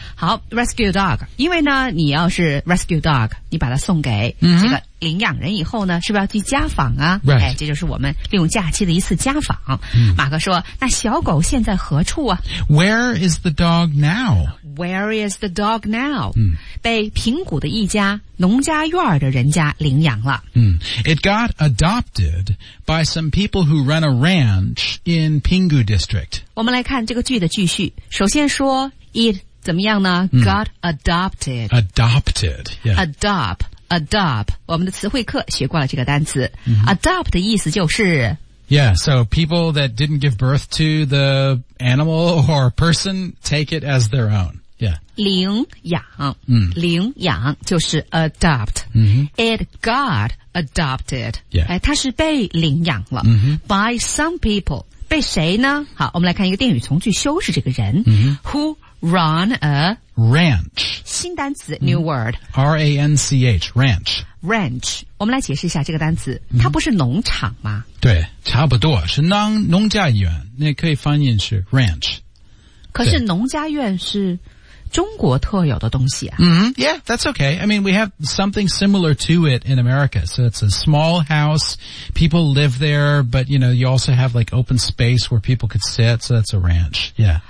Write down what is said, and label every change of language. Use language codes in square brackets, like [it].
[zh] 好 ,rescue dog, 因为呢你要是 rescue dog, 你把它送给这个领养人以后呢是不是要去家访啊、 [en] right. [zh] 哎这就是我们利用假期的一次家访、 mm. 马克说那小狗现在何处啊 [en] ?Where is the dog now? Where is the dog now?、嗯、 [zh] 被平谷的一家农家院的人家领养了、嗯。 [en] It got adopted by some people who run a ranch in Pingu district. [zh] 我们来看这个句的句序。首先说 it 怎么样呢、嗯、 [en] got adopted. Adopted,、yeah. Adopt, adopt. [zh] 我们的词汇课学过了这个单词。嗯、 adopt 的意思就是 [en] Yeah, so people that didn't give birth to the animal or person take it as their own. Yeah. [zh] 领养、 mm. 领养就是 adopt.、 Mm-hmm. [en] It got adopted. Yeah. [zh] 哎，它是被领养了、 mm-hmm. [en] by some people. [zh] 被谁呢？好，我们来看一个定语从句修饰这个人、 mm-hmm. [en] who run a ranch. [zh] 新单词、mm-hmm. [en] new word. R-A-N-C-H, ranch. [zh] Ranch, 我们来解释一下这个单词、嗯、它不是农场吗对差不多是 农家院那可以翻译是 ranch。可是农家院是中国特有的东西啊。 [en] 嗯 ,yeah, that's okay. I mean, we have something similar to it in America. So it's a small house, people live there, but you know, you also have like open space where people could sit, so that's a ranch, yeah.